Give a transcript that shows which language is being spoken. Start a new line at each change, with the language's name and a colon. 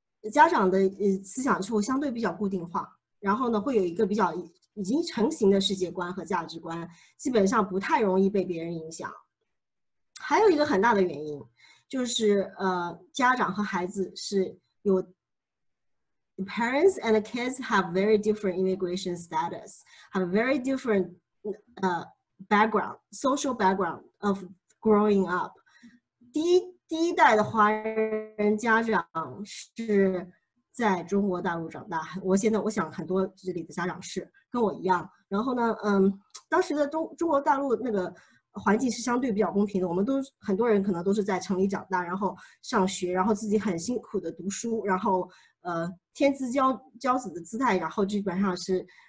Chinese: 家长的思想就相对比较固定化，然后呢会有一个比较已经成型的世界观和价值观，基本上不太容易被别人影响，还有一个很大的原因。就是家长和孩子是有
English: parents and kids have very different immigration status, have very different background, social background of growing up.
Chinese: 第一代的华人家长是在中国大陆长大，我想很多这里的家长是跟我一样，然后呢，当时的中国大陆那个 环境是相对比较公平的，我们都很多人可能都是在城里长大，然后上学，然后自己很辛苦的读书，然后天之骄子的姿态，然后基本上是